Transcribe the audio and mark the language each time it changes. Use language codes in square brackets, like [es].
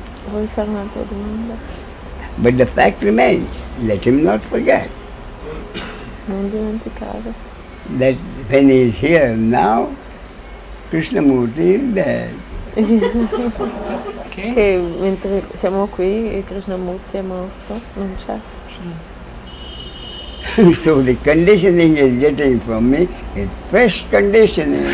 [it] Vuoi fare un'altra domanda? [en] But the fact remains, let him not forget. [it] Non dimenticare. [en] That when he is here now, Krishnamurti is there. [it] Che mentre siamo qui Krishnamurti è morto, non c'è. [en] So the conditioning is getting from me is fresh conditioning.